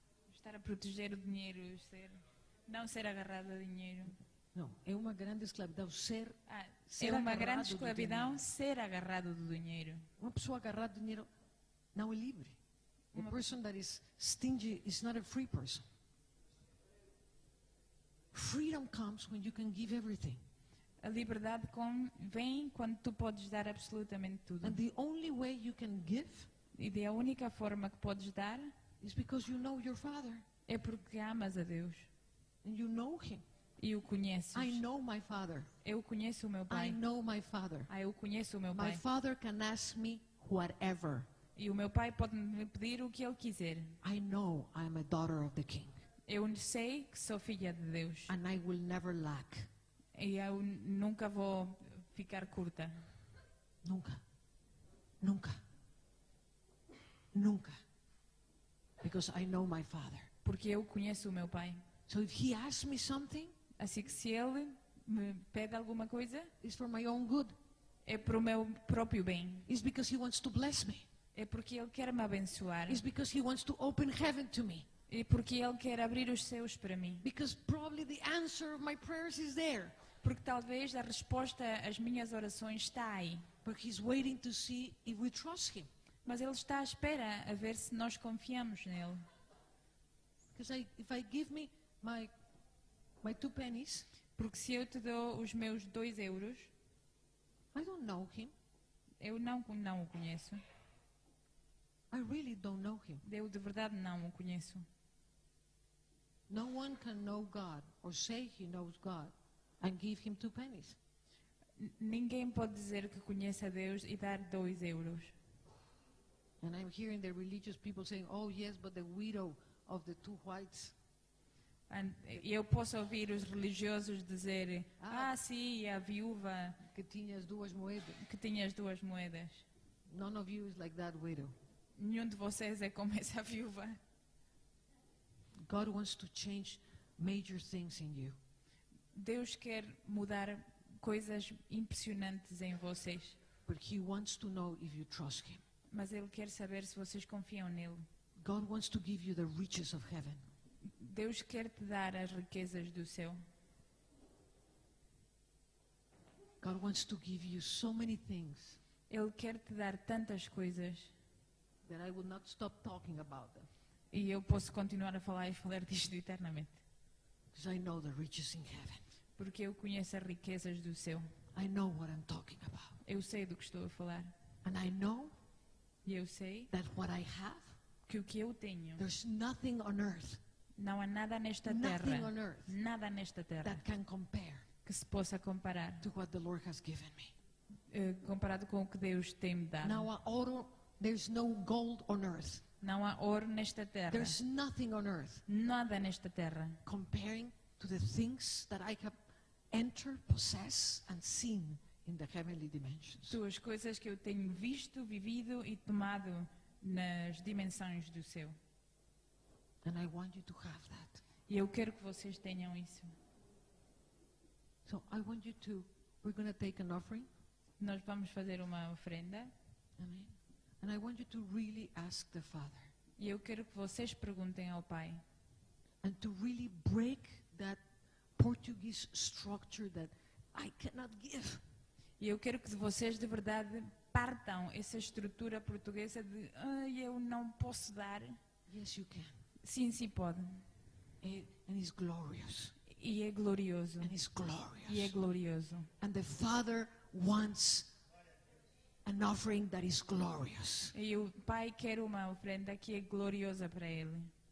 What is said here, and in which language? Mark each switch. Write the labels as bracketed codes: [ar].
[pt] estar a proteger o dinheiro, não ser agarrado a dinheiro. Não, é uma grande esclavidão ser é uma grande esclavidão ser agarrado do dinheiro. Uma pessoa agarrada ao dinheiro não é livre. [en] A person that is stingy is not a free person. Freedom comes when you can give everything. [pt] A liberdade vem quando tu podes dar absolutamente tudo. [en] And the only way you can give, [pt] e é a única forma que podes dar, [en] is because you know your father. [pt] É porque amas a Deus. [en] And you know him. [pt] E o conheces. [en] I know my father. [pt] Eu conheço o meu pai. [en] I know my father. [pt] Ah, eu conheço o meu pai. [en] My father can ask me whatever. [pt] E o meu pai pode me pedir o que ele quiser. [en] I know I'm a daughter of the King. [pt] Eu sei que sou filha de Deus. [en] And I will never lack. [pt] E eu nunca vou ficar curta. Nunca. Nunca. Nunca. [en] Because I know my father. [pt] Porque eu conheço o meu pai. [en] So if he asks me something, [pt] assim que se ele me pede alguma coisa, [en] it's for my own good. [pt] É para o meu próprio bem. [en] It's because he wants to bless me. [pt] É porque ele quer me abençoar. [en] It's because he wants to open heaven to me. [pt] É porque ele quer abrir os céus para mim. [en] Because probably the answer of my prayers is there. [pt] Porque talvez a resposta às minhas orações está aí. [en] But he's waiting to see if we trust him. [pt] Mas ele está à espera a ver se nós confiamos nele. [en] Because if I give me my two pennies, [pt] porque se eu te dou os meus 2 euros, [en] I don't know him. [pt] Eu não o conheço. [en] I really don't know him. [pt] Eu de verdade não o conheço. [en] No one can know God or say he knows God and give him two pennies. [pt] Ninguém pode dizer que conhece a Deus e dar 2 euros. [en] And I'm hearing the religious people saying, "Oh yes, but the widow of the two whites." [pt] And eu posso ouvir os religiosos dizer, "Ah, sim, a viúva [en] que tinha as 2 moedas." None of you is like that widow. [pt] Nenhum de vocês é como essa viúva. [en] God wants to change major things in you. [pt] Deus quer mudar coisas impressionantes em vocês. [en] But he wants to know if you trust him. [pt] Mas ele quer saber se vocês confiam nele. [en] God wants to give you the riches of heaven. [pt] Deus quer te dar as riquezas do céu. [en] God wants to give you so many things. [pt] Ele quer te dar tantas coisas. [en] That I will not stop talking about them. [pt] E eu posso continuar a falar e falar disto eternamente. [en] Because I know the riches in heaven. [pt] Porque eu conheço as riquezas do céu. [en] I know what I'm talking about. [pt] Eu sei do que estou a falar. [en] And I know. [pt] E eu sei. [en] That what I have. [pt] Que o que eu tenho. [en] There's nothing on earth. [pt] Não há nada nesta terra. Nada nesta terra. [en] That can compare. [pt] Que se possa comparar. [en] To what the Lord has given me. [pt] Comparado com o que Deus tem-me dado. [en] Now ouro. There's no gold on earth. [pt] Não há ouro nesta terra. [en] There's nothing on earth. [pt] Nada nesta terra. [en] Comparing to the things that I have entered, possessed, and seen in the heavenly dimensions. [pt] Suas coisas que eu tenho visto, vivido e tomado nas dimensões do céu. [en] And I want you to have that. [pt] E eu quero que vocês tenham isso. [en] So I want you to. We're going to take an offering. [pt] Nós vamos fazer uma ofrenda. Amém. [en] And I want you to really ask the Father. [pt] E eu quero que vocês perguntem ao Pai. [en] And to really break that Portuguese structure that I cannot give. [pt] E eu quero que vocês de verdade partam essa estrutura portuguesa de eu não posso dar. [en] Yes, you can. [pt] Sim, sim, pode. [en] And it's glorious. [pt] E é glorioso. [en] And it's glorious. [pt] E é glorioso. [en] And the Father wants an offering that is glorious. [pt] E o Pai quer uma ofrenda que é gloriosa para ele.